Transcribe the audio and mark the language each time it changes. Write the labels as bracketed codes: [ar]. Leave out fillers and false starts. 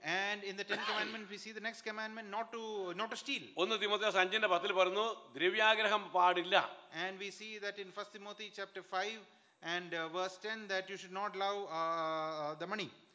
[en] And in the 10th commandment we see the next commandment not to steal. [ml] 1 Timotheos 5:10 പറയുന്നു ദ്രവ്യാഗ്രഹം പാടില്ല. [en] And we see that in 1 Timothy chapter 5 and verse 10 that you should not love the money.